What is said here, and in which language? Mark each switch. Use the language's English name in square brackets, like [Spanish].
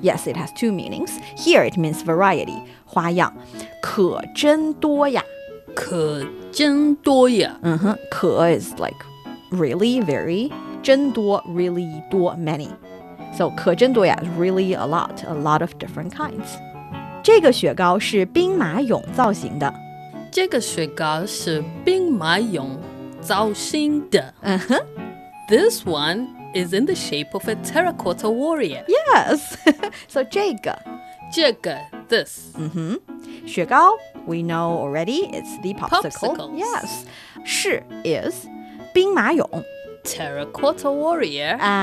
[English] Yes, it has two meanings. Here, it means variety. 花样。 [Chinese] 可真多呀。可真多呀。 [English] 可 is like really, very. 真多 really 多 many. So, [Chinese] 可真多呀 [English] really a lot of different kinds. [Chinese] 这个雪糕是兵马俑造型的。这个雪糕是兵马俑造型的。 [English] This one is in the shape of a terracotta warrior. Yes! So, 这个。这个 this. 雪糕 we know already, it's the popsicle. Popsicles. Yes. 是 is 兵马俑。 Terracotta warrior.